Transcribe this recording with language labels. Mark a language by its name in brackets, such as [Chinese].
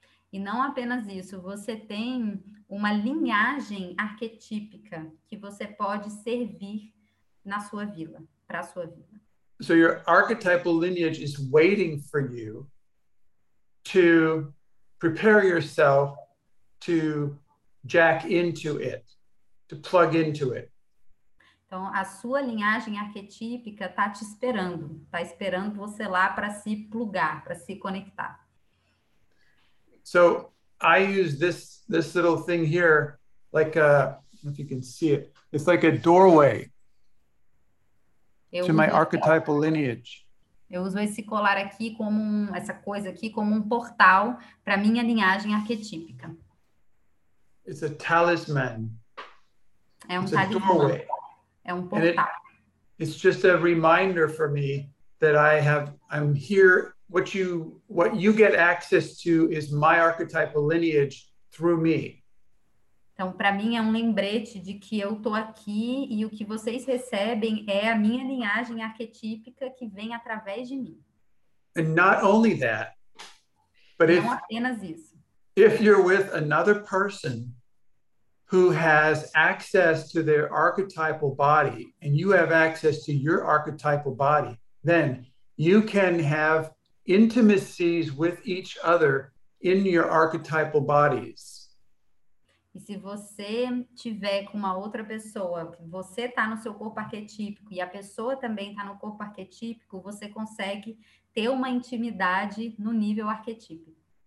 [Portuguese] E não apenas isso, você tem uma linhagem arquetípica que você pode servir na sua vila, para sua vila. [English] So your archetypal lineage is waiting for you to prepare yourself to jack into it, to plug into it. [Portuguese] Então, a sua linhagem arquetípica está te esperando. Está esperando você lá para se plugar, para se conectar. [English] So, I use this little thing here, like a, if you can see it, it's like a doorway to my archetypal lineage. [Portuguese] Eu uso esse colar aqui, como essa coisa aqui, como portal para minha linhagem arquetípica. [English] It's a talisman. [Portuguese] É talisman. [English] It's a doorway. And it's just a reminder for me that I'm here. What you get access to is my archetypal lineage through me. [Portuguese] Então, para mim é lembrete de que eu tô aqui e o que vocês recebem é a minha linhagem arquetípica que vem através de mim. [English] And not only that, but if you're with another person who has access to their archetypal body and you have access to your archetypal body, then you can have intimacies with each other in your archetypal bodies. [Portuguese] E se você tiver com uma outra pessoa, você está no seu corpo arquetípico e a pessoa também está no corpo arquetípico, você consegue ter uma intimidade no nível arquetípico.